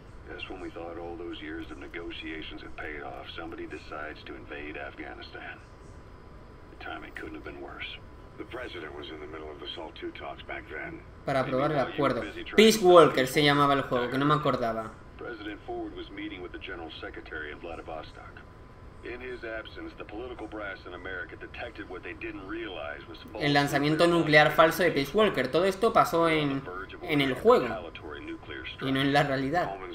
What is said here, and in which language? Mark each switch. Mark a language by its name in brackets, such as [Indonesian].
[English] That's when we thought all those years of negotiations had paid off. Somebody decides to invade Afghanistan. The timing couldn't have been worse. The president was in the middle of the SALT II talks back then. [Spanish] Para aprobar el acuerdo. Peace Walker se llamaba el juego, que no me acordaba. [English] President Ford was meeting with the general secretary in Vladivostok. In his absence, the political brass in America detected what they didn't realize was false. [Spanish] El lanzamiento nuclear falso de Peace Walker. Todo esto pasó en el juego y no en la realidad.